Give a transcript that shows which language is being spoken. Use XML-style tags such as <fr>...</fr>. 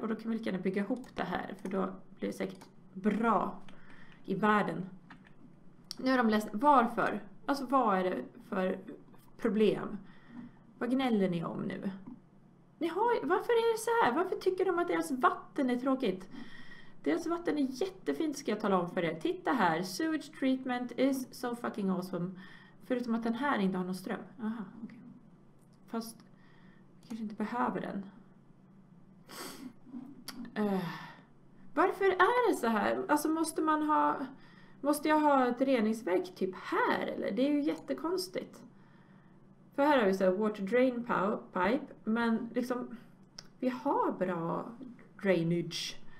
<sv>Och då kan vi lika gärna bygga ihop det här. För då blir det säkert bra i världen. Nu är de ledsna. Varför? Alltså, vad är det för problem? Vad gnäller ni om nu? Varför är det så här? Varför tycker de att deras vatten är tråkigt? Deras vatten är jättefint, ska jag tala om för er. Titta här.</sv> <en>Sewage treatment is so fucking awesome.</en> <sv>Förutom att den här inte har någon ström. Aha, okej. Fast vi kanske inte behöver den. Varför är det så här? Alltså, måste jag ha ett reningsverk typ här eller? Det är ju jättekonstigt. För här har vi så här water drain pipe, men liksom vi har bra drainage.</sv>